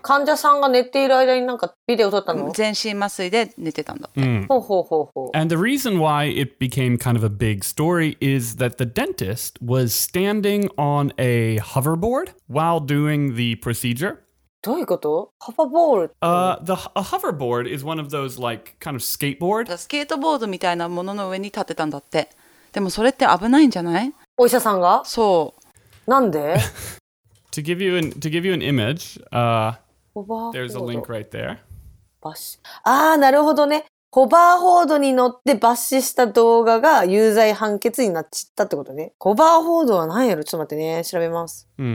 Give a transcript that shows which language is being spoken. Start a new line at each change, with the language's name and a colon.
Japanese: 患者さんが寝ている間になんかビデオ撮ったの? 全身麻酔で寝てたんだって。ほうほうほうほう。
English: And the reason why it became kind of a big story is that the dentist was standing on a hoverboard while doing the procedure.
Japanese: どういうこと?Hoverboard?
English: A hoverboard is one of those like kind of skateboard.
Japanese: スケートボードみたいなものの上に立てたんだって。でもそれって危ないんじゃない? お医者さんが? そう。なんで?
English: to give you an image, there's a link right there.
Japanese: なるほどね。ホバーボードに乗って罰した動画が有罪判決になっちゃったってことね。ホバーボードは何やろ?ちょっと待ってね、調べます。